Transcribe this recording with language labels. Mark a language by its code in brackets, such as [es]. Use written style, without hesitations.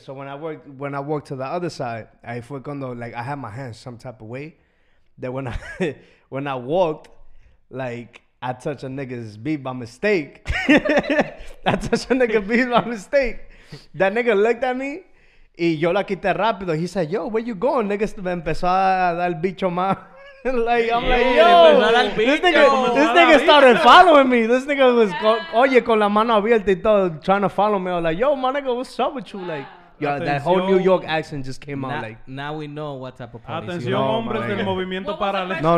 [en] So when I worked to the other side, I [es] fue cuando, [en] like, I had my hands some type of way. That when I when I walked, like, I touched a nigga's beat by mistake. I touched a nigga's beat by mistake. That nigga looked at me, [es] y yo la quité rápido. [en] He said, yo, where you going? [es] Niggas me empezó a dar bicho más. [en] Like, I'm yeah, like, yo, this nigga started following me. This nigga was, [es] oye, con la mano abierta y todo, [en] trying to follow me. I was like, yo, my nigga, what's up with you? Wow. Like, Yeah, that whole New York accent just came out like. Now we know what type of party. [es] Atención, hombres del movimiento paralelo.